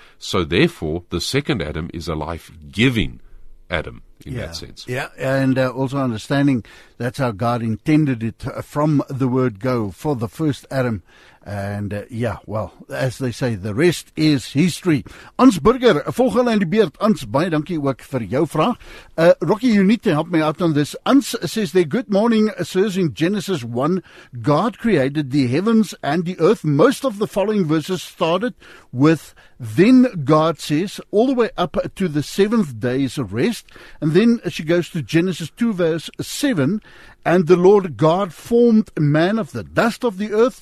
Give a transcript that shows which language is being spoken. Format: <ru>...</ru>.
<en>So therefore, the second Adam is a life-giving Adam in that sense. Yeah, and also understanding that's how God intended it from the word go for the first Adam. And as they say, the rest is history.</en> <af>Ans Burger, volgende in die beurt. Ans, baie dankie ook vir jou vraag.</af> <en>Rocky, you need to help me out on this. Ans says there, good morning, sirs. In Genesis 1, God created the heavens and the earth. Most of the following verses started with, then God says, all the way up to the seventh day's rest. And then she goes to Genesis 2, verse 7, and the Lord God formed man of the dust of the earth.</en>